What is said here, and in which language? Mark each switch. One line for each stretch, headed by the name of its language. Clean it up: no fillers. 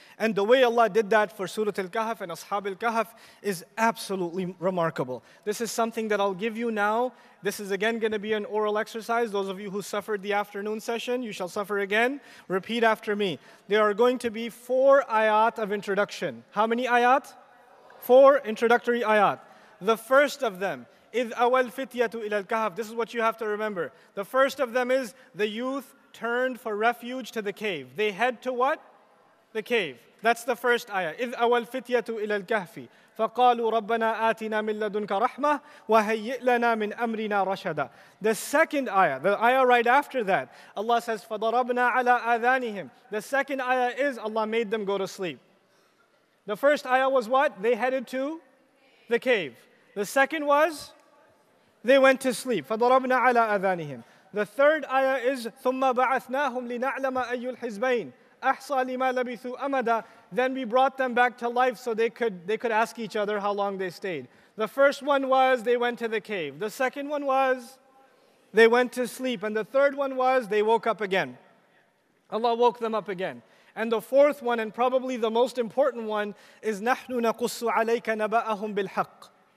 English: And the way Allah did that for Surah Al-Kahf and Ashab Al-Kahf is absolutely remarkable. This is something that I'll give you now. This is again going to be an oral exercise. Those of you who suffered the afternoon session, you shall suffer again. Repeat after me. There are going to be 4 ayat of introduction. How many ayat? 4 introductory ayat. The first of them,
Arabic: إِذْ أَوَلْ فِتْيَةُ إِلَى الْكَهَفِ.
English: This is what you have to remember. The first of them is, the youth turned for refuge to the cave. They head to what? the cave. That's the first ayah.
Arabic: إِذْ أَوَى الْفِتْيَةُ إِلَى الْكَهْفِ فَقَالُوا رَبَّنَا آتِنَا مِنْ لَدُنْكَ رَحْمَةً وَهَيِّئْ لَنَا مِنْ أَمْرِنَا رَشَدًا.
English: The second ayah, the ayah right after that, Allah says,
Arabic: فَضَرَبْنَا عَلَىٰ آذَانِهِمْ.
English: The second ayah is Allah made them go to sleep. The first ayah was what? They headed to the cave. The second was they went to sleep.
Arabic: فَضَرَبْنَا عَلَىٰ آذَانِهِمْ.
English: The third ayah is
Arabic: ثُمَّ بَعَثْنَاهُمْ لِنَعْلَمَ أَيُّ الْحِزْبَيْنِ أَحْصَى لِمَا لَبِثُوا أَمَدًا.
English: Then we brought them back to life so they could ask each other how long they stayed. The first one was they went to the cave. The second one was they went to sleep. And the third one was they woke up again. Allah woke them up again. And the fourth one, and probably the most important one, is
Arabic: نَحْنُ نَقُصُّ عَلَيْكَ نَبَأَهُمْ بِالْحَقِّ.